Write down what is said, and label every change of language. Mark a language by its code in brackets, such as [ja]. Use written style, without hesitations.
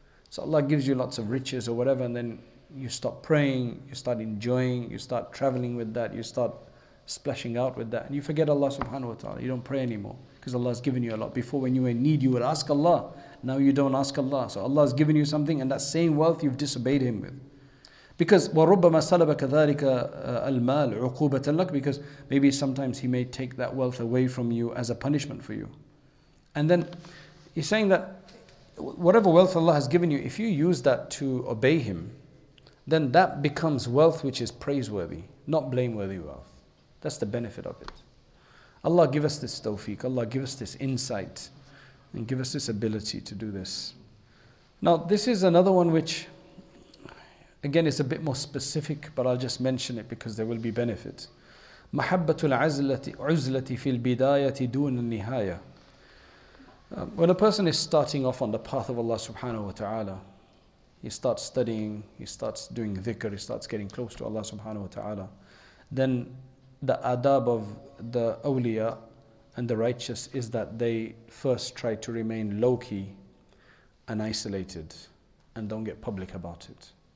[en] So Allah gives you lots of riches or whatever, and then you stop praying, you start enjoying, you start traveling with that, you start splashing out with that, and you forget Allah subhanahu wa ta'ala. You don't pray anymore because Allah has given you a lot. Before, when you were in need, you would ask Allah. Now you don't ask Allah. So Allah has given you something, and that same wealth you've disobeyed Him with. Because [ar] وَرُبَّمَا سَلَبَ كَذَلِكَ الْمَالُ عُقُوبَةً لَكَ. [en] Because maybe sometimes He may take that wealth away from you as a punishment for you. And then He's saying that whatever wealth Allah has given you, if you use that to obey Him, then that becomes wealth which is praiseworthy, not blameworthy wealth. That's the benefit of it. Allah, give us this tawfiq. Allah, give us this insight. And give us this ability to do this. Now, this is another one which, again, is a bit more specific, but I'll just mention it because there will be benefit. [ar] محبت العزلة في البداية دون النهاية. [en] When a person is starting off on the path of Allah subhanahu wa ta'ala, he starts studying, he starts doing dhikr, he starts getting close to Allah subhanahu wa ta'ala, then the adab of the awliya and the righteous is that they first try to remain low-key and isolated and don't get public about it.